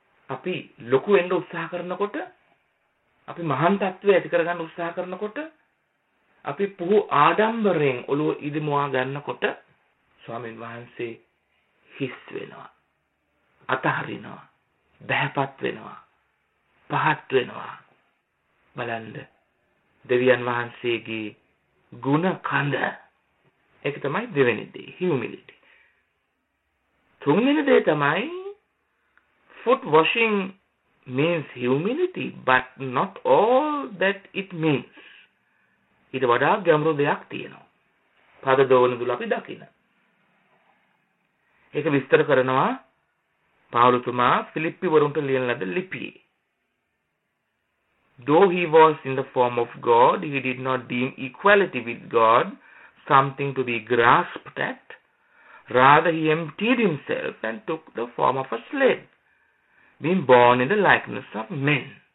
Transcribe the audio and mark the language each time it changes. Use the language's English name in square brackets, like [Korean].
[Sinhala] අපි ලොකු වෙන්න උත්සාහ කරනකොට, අපි මහාන් තත්ත්වයට ඇති කරගන්න උත්සාහ කරනකොට, අපි පුහු ආඩම්බරයෙන් ඔළුව ඉදිමුවා ගන්නකොට ස්වාමීන් වහන්සේ හිස් වෙනවා, අතහරිනවා, බහැපත් වෙනවා, පහත් වෙනවා. බලන්න දෙවියන් වහන්සේගේ ගුණ කඳ. ඒක තමයි දෙවෙනි දේ, humility. තුන්වෙනි දේ තමයි [English] foot washing means humility, but not all that it means. [Sinhala] ඊට වඩා ගැඹුරු දෙයක් තියෙනවා. පාද දෝවන දුල අපි දකින. ඒක විස්තර කරනවා පාවුලතුමා ෆිලිප්පි වරුන්ට ලියන ලද ලිපියේ. [English] Though he was in the form of God, he did not deem equality with God something to be grasped at. Rather, he emptied himself and took the form of a slave, being born in the likeness of men.